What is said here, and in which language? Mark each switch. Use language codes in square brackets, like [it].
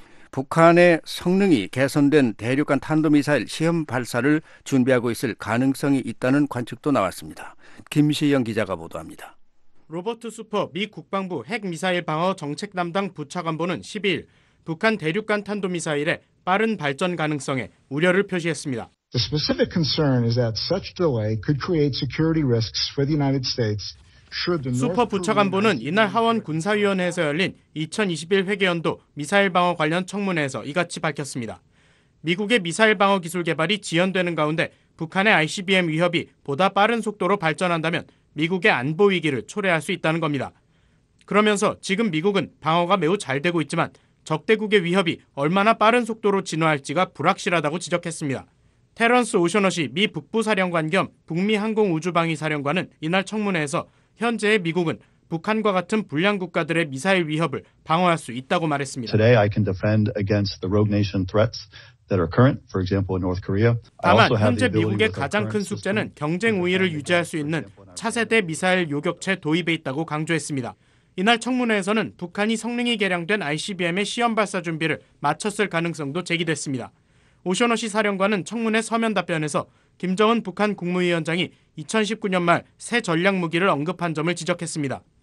[ko] 북한의 성능이 개선된 대륙간 탄도미사일 시험 발사를 준비하고 있을 가능성이 있다는 관측도 나왔습니다. 김시영 기자가 보도합니다. 로버트 슈퍼 미 국방부 핵미사일 방어 정책 담당 부차관보는 12일 북한 대륙간 탄도미사일의 빠른 발전 가능성에 우려를 표시했습니다. [en] The specific concern is that such delay could create security risks for the United States. [ko] 슈퍼 부차관보는 이날 하원 군사위원회에서 열린 2021 회계연도 미사일 방어 관련 청문회에서 이같이 밝혔습니다. 미국의 미사일 방어 기술 개발이 지연되는 가운데 북한의 ICBM 위협이 보다 빠른 속도로 발전한다면 미국의 안보 위기를 초래할 수 있다는 겁니다. 그러면서 지금 미국은 방어가 매우 잘 되고 있지만 적대국의 위협이 얼마나 빠른 속도로 진화할지가 불확실하다고 지적했습니다. 테런스 오셔너시 미 북부사령관 겸 북미항공우주방위사령관은 이날 청문회에서 현재의 미국은 북한과 같은 불량 국가들의 미사일 위협을 방어할 수 있다고 말했습니다. [en] Today I can defend against the rogue nation threats that are current, for example, in North Korea. [ko] 다만 현재 미국의 가장 큰 숙제는 경쟁 우위를 유지할 수 있는 차세대 미사일 요격체 도입에 있다고 강조했습니다. 이날 청문회에서는 북한이 성능이 개량된 ICBM의 시험 발사 준비를 마쳤을 가능성도 제기됐습니다. 오셔너시 사령관은 청문회 서면 답변에서 김정은 북한 국무위원장이 2019년 말 새 전략 무기를 언급한 점을 지적했습니다.